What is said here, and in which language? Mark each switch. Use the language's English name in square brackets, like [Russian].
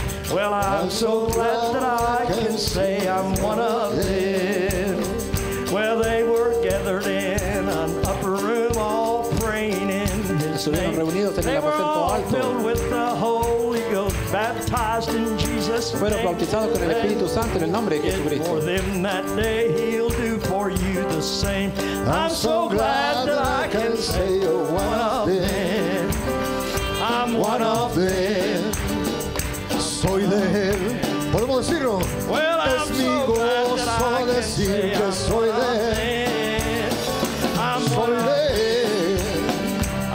[English] Well, I'm so glad that I can say I'm one of them. Well, they were gathered in an upper room all praying in His name. They were all filled with the Holy Ghost, baptized in Jesus' name. [Spanish] Fueron bautizados con el Espíritu Santo en el nombre de Jesucristo. [English] For them that day He'll do for you the same. I'm so glad that I can say you're one of them. I'm one of them. [Spanish] Soy de él. Podemos decirlo. [English] Well, I'm so glad that I can say I'm one of them.